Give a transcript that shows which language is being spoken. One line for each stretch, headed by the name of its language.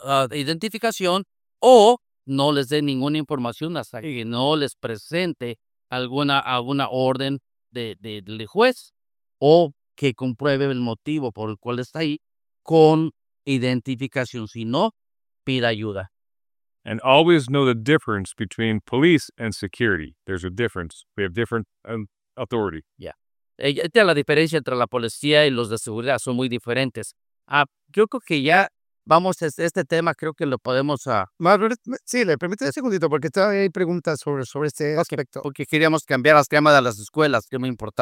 Spanish: identificación o no les dé ninguna información hasta que no les presente alguna orden del juez o que compruebe el motivo por el cual está ahí. Con identificación, si no, pida ayuda.
English: And always know the difference between police and security. There's a difference. We have different authority. Yeah.
Spanish: Esta es la diferencia entre la policía y los de seguridad. Son muy diferentes. Yo creo que ya vamos a este tema. Creo que lo podemos... Sí, le permite un segundito porque todavía hay preguntas sobre este aspecto. Porque queríamos cambiar el tema de las escuelas, que es muy importante.